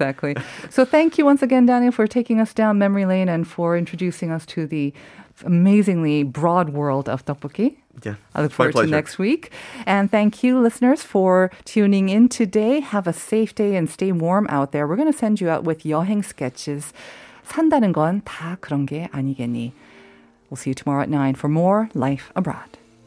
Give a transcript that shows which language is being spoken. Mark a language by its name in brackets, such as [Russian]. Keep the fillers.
[English] Exactly. so thank you once again, Daniel, for taking us down memory lane and for introducing us to the amazingly broad world of tteokbokki. Yeah, I look it's my forward pleasure. to next week. And thank you, listeners, for tuning in today. Have a safe day and stay warm out there. We're going to send you out with 여행 sketches. [Korean] 산다는 건 다 그런 게 아니겠니. [English] We'll see you tomorrow at 9 for more Life Abroad.